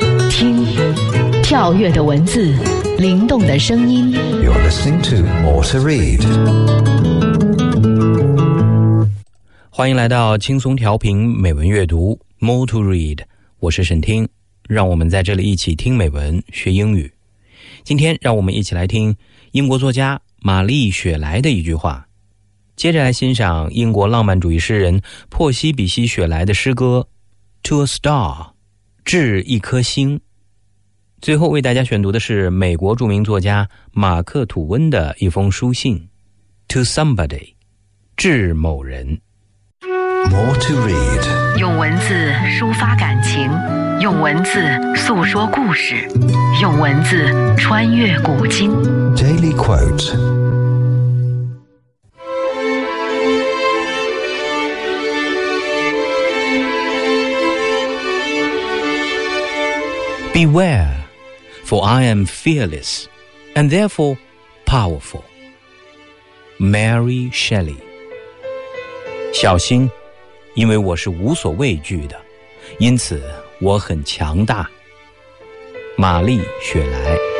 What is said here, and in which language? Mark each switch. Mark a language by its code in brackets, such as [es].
[zh] 听跳跃的文字，灵动的声音。 [en] You're listening to More to Read. [zh] 欢迎来到轻松调频美文阅读 More to Read， 我是沈听，让我们在这里一起听美文学英语。今天让我们一起来听英国作家玛丽雪莱的一句话，接着来欣赏英国浪漫主义诗人珀西比西雪莱的诗歌 To a Star， 致一颗星。最后为大家选读的是美国著名作家马克吐温的一封书信 To Somebody， 致某人。 [en] More to read. [zh] 用文字抒发感情，用文字诉说故事，用文字穿越古今。 [en] Daily quote. Beware, for I am fearless, and therefore powerful. [zh] Mary Shelley. 小心。因为我是无所畏惧的，因此我很强大。玛丽·雪莱。